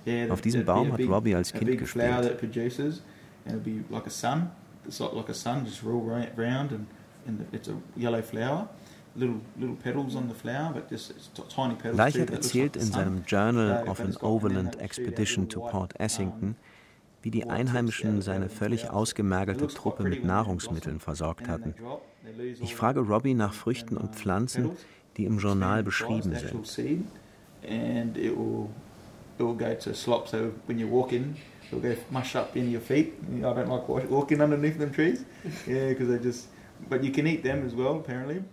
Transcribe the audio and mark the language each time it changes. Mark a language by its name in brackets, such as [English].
[German] Auf diesem Baum hat Robbie als Kind gespielt. [English] Little petals on the flower, but just tiny petals. [German] Leichhardt erzählt in seinem Journal of an Overland Expedition to Port Essington, wie die Einheimischen seine völlig ausgemergelte Truppe mit Nahrungsmitteln versorgt hatten. Ich frage Robbie nach Früchten und Pflanzen, die im Journal beschrieben sind. [English] And it will go to slop, so when you walk in, it'll go mush up in your feet. I don't like walking underneath them trees, yeah, because they just. But you can eat them as well, apparently.